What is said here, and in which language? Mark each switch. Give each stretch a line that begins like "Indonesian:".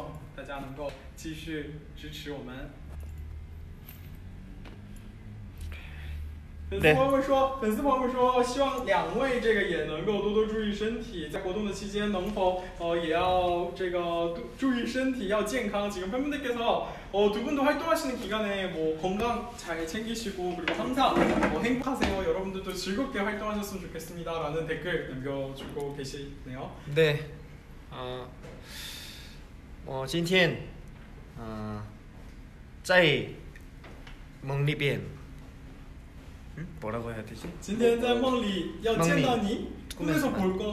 Chinese: 刚才东海说到说大家送来的这份关爱，我们是通过我们的这个小团队以及这个Super Junior全员的这个活动当中都能感受到来自你们的这个关心和支持，我们也会更加努力为大家带去更好的音乐和作品，希望大家能够继续支持我们。粉丝朋友们说希望两位这个也能够多多注意身体，在活动的期间能否也要这个注意身体，要健康。
Korean: 지금 팬분들께서 두 분도 활동하시는 기간에 뭐 건강 잘 챙기시고 그리고 항상 행복하세요. 여러분들도 즐겁게 활동하셨으면 좋겠습니다. 라는 댓글 남겨주고 계시네요. 네.
Chinese: 今天在梦里边
Korean: 뭐라고 해야 되지?
Chinese: 今天在梦里要见到你，
Korean: 꿈에서 볼 거.